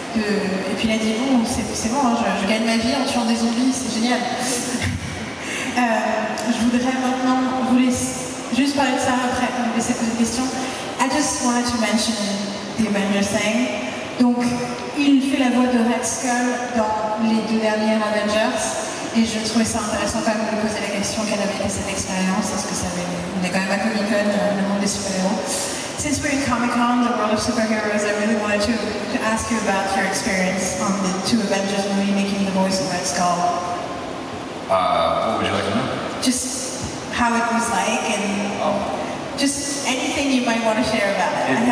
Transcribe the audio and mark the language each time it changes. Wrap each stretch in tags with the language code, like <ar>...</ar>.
<fr>Et puis il a dit bon, c'est bon, hein, je gagne ma vie en tuant des zombies, c'est génial. Je voudrais maintenant vous laisser juste parler de ça après, vous laisser poser des questions.</fr> <en>I just wanted to mention the Avengers thing.</en> <fr>Donc, il fait la voix de Red Skull dans les deux dernières Avengers et je trouvais ça intéressant quand même de poser la question qu'elle avait fait cette expérience. Est-ce que ça avait... On est quand même à Comic-Con, le monde des super-héros.</fr> <en>Since we're in Comic-Con, the world of superheroes, I really wanted to ask you about your experience on the two Avengers movie making the voice of Red Skull. What would you like to know? Just how it was like and just anything you might want to share about it.</en>